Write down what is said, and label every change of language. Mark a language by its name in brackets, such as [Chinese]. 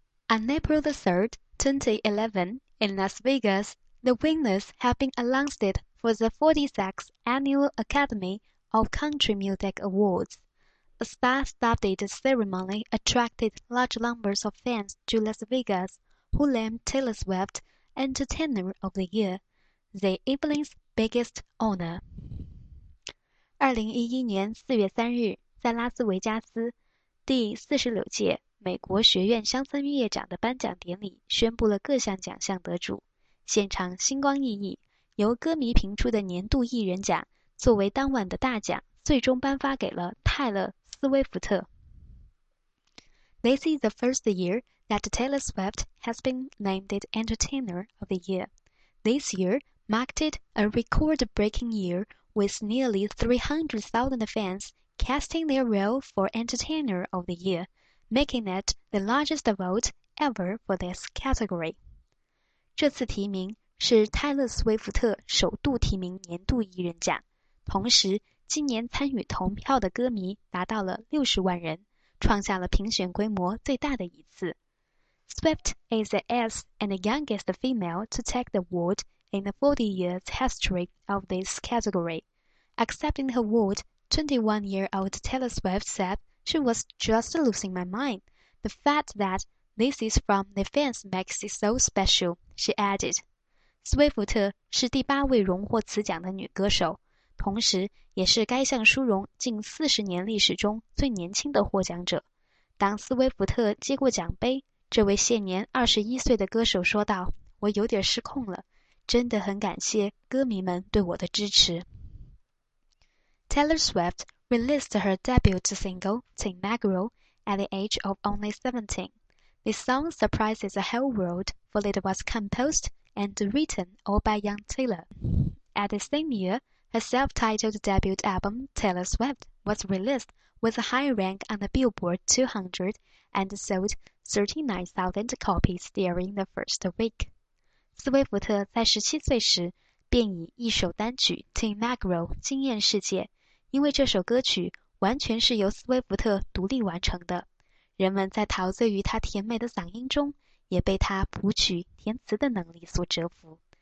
[English] On April the 3rd, 2011, in Las Vegas, the winners have been announced for the 46th Annual Academy of Country Music Awards. A star-studded ceremony attracted large numbers of fans to Las Vegas, who named Taylor Swift Entertainer of the Year, the evening's biggest honor. [Chinese] 2011年4月3日，在拉斯维加斯，第46届美国学院乡村音乐奖的颁奖典礼宣布了各项奖项得主，现场星光熠熠，由歌迷评出的年度艺人奖作为当晚的大奖，最终颁发给了泰勒·斯威夫特。 [English] This is the first year that Taylor Swift has been named Entertainer of the Year. This year marked it a record-breaking year with nearly 300,000 fans casting their vote for Entertainer of the Year. making it the largest vote ever for this category. [Chinese] 这次提名是泰勒·斯威夫特首度提名年度艺人奖，同时今年参与投票的歌迷达到了60万人，创下了评选规模最大的一次。 [English] Swift is the eighth and the youngest female to take the award in the 40 years history of this category. Accepting the award, 21-year-old Taylor Swift said,She was just losing my mind. The fact that this is from the fans makes it so special, she added. [Chinese] 斯威夫特是第八位荣获此奖的女歌手，同时也是该项殊荣近40年历史中最年轻的获奖者。当斯威夫特接过奖杯，这位现年21岁的歌手说道，我有点失控了，真的很感谢歌迷们对我的支持。 [English] Taylor Swiftreleased her debut single, Tim McGraw, at the age of only 17. The song surprises the whole world, for it was composed and written all by young Taylor. At the same year, her self-titled debut album, Taylor Swift, was released with a high rank on the Billboard 200 and sold 39,000 copies during the first week. [Chinese] 斯威夫特在17岁时便以一首单曲 Tim McGraw 惊艳世界，因为这首歌曲完全是由斯威夫特独立完成的，人们在陶醉于他甜美的嗓音中，也被他谱曲填词的能力所折服。